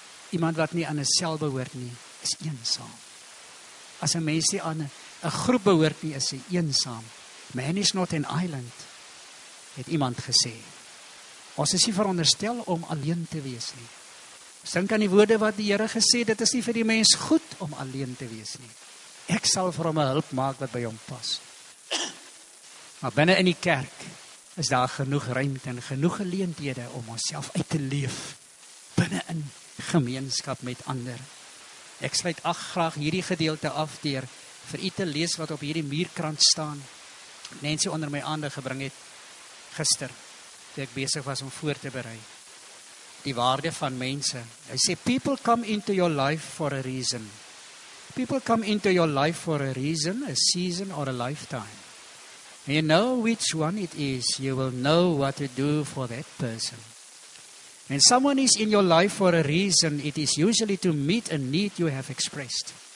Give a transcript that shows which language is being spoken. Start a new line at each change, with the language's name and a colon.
Afrikaans: Iemand wat nie aan 'n sel behoort nie, is eensaam. As 'n mens nie aan 'n groep behoort nie, is hy eensaam.
English: Man is not an island,
Afrikaans: het iemand gesê. Ons is nie veronderstel om alleen te wees nie. Dink aan die woorde wat die Here gesê, dit is nie vir die mens goed om alleen te wees nie. Ek sal vir hom 'n hulp maak wat by hom pas. Maar binne in die kerk is daar genoeg ruimte en genoeg geleenthede om onsself uit te leef binne in gemeenskap met ander. Ek sluit ag graag hierdie gedeelte af deur vir u te lees wat op hierdie muurkrant staan. Nancy onder my aandag gebring het gister toe ek besig was om voor te berei. Die waarde van mense. Hy sê
English: people come into your life for a reason. People come into your life for a reason, a season or a lifetime. You know which one it is, you will know what to do for that person. When someone is in your life for a reason, it is usually to meet a need you have expressed.